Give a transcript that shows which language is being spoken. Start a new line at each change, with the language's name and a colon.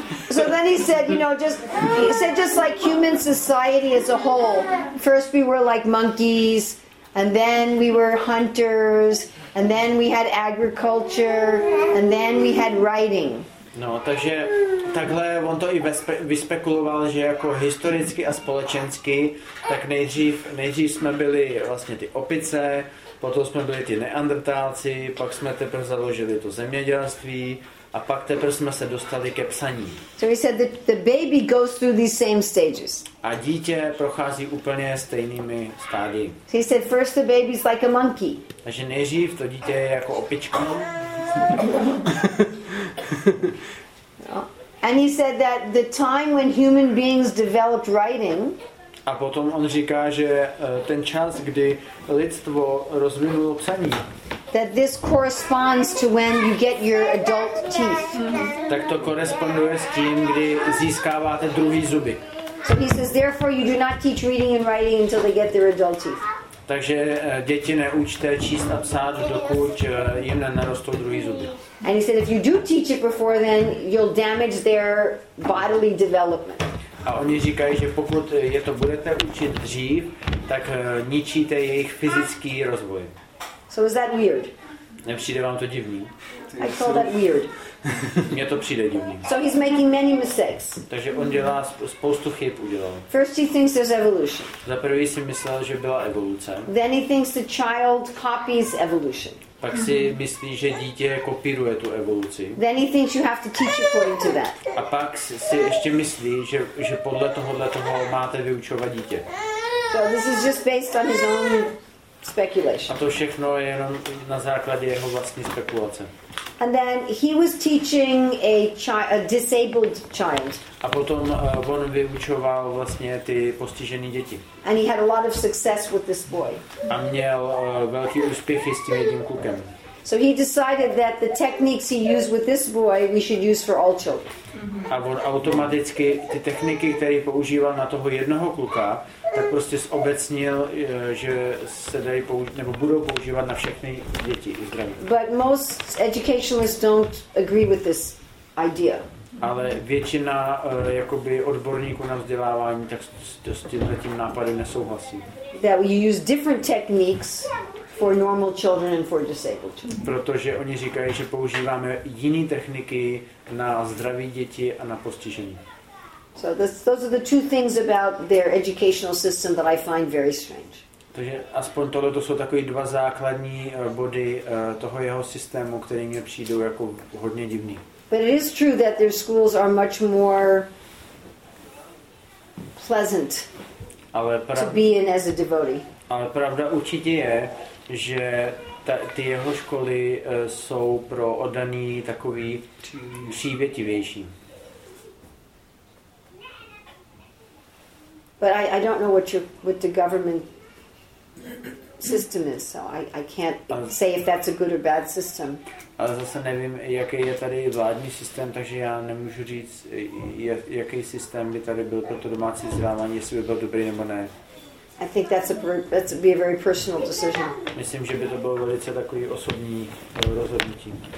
English: So then he said, you know, he said like human society as a whole. First we were like monkeys, and then we were hunters, and then we had agriculture, and then we had writing.
Czech: No, takže takhle on to i vyspekuloval, že jako historicky a společensky, tak nejdřív jsme byli vlastně ty opice, potom jsme byli ty neandrtálci, pak jsme teprve založili to zemědělství a pak teprve jsme se dostali ke psaní.
English: So he said that the baby goes through these same stages.
Czech: A dítě prochází úplně stejnými stádii.
English: So he said first the baby's like a monkey.
Czech: Takže nejdřív to dítě je jako opička.
English: And he said that the time when human beings developed writing.
Czech: A potom on říká, že ten čas, kdy lidstvo rozvinulo psaní.
English: That this corresponds to when you get your adult teeth.
Czech: Tak to koresponduje s tím, kdy získáváte druhý zuby.
English: So he says, therefore you do not teach reading and writing until they get their adult teeth.
Czech: Takže děti neučte číst a psát, dokud jim nenarostou druhý zuby.
English: And he said, if you do teach it before then, you'll damage their bodily development.
Czech: A oni říkají, že pokud je to budete učit dřív, tak ničíte jejich fyzický rozvoj.
English: So is that weird?
Czech: Nepřijde vám to divný?
English: I call that weird.
Czech: Mně to přijde divný.
English: So he's making many mistakes.
Czech: Takže on dělá spoustu chyb, udělal.
English: First he thinks there's evolution.
Czech: Za prvý si myslel, že byla evoluce.
English: Then he thinks the child copies evolution.
Czech: Pak si myslí, že dítě kopíruje tu evoluci.
English: Then he thinks you have to teach according to that.
Czech: A pak si ještě myslí, že podle tohohle toho máte vyučovat dítě.
English: So this is just based on his own speculation.
Czech: A to všechno je jenom na základě jeho vlastní spekulace.
English: And then he was teaching a disabled child.
Czech: A potom on vyučoval vlastně ty postižené děti.
English: And he had a lot of success with this boy.
Czech: A měl velký úspěchy s tím jedním klukem.
English: So he decided that the techniques he used with this boy we should use for all children.
Czech: A on automaticky ty techniky, které používal na toho jednoho kluka, tak prostě zobecnil, že se dají nebo budou používat na všechny děti i zdraví.
English: But most educationalists don't agree with this idea.
Czech: Ale většina jakoby odborníků na vzdělávání tak s tím nápadem nesouhlasí.
English: That we use different techniques for normal children and for disabled children.
Czech: Protože oni říkají, že používáme jiné techniky na zdraví děti a na postižení.
English: So those are the two things about their educational system that I find very strange.
Czech: Takže aspoň tohle to jsou takové dva základní body toho jeho systému, které mi přijdou jako hodně divný.
English: But it is true that their schools are much more pleasant to be in as a devotee.
Czech: Ale pravda určitě je, že ty jeho školy jsou pro oddaný takový přívětivější.
English: But I don't know what the government system is, so I can't say if that's a good or bad system.
Czech: Ale zase nevím, jaký je tady vládní systém, takže já nemůžu říct, jaký systém by tady byl pro to domácí vzdělávání, jestli by byl dobrý nebo ne.
English: I think that's be a very personal decision.
Czech: Myslím, že by to bylo velice takový osobní rozhodnutí.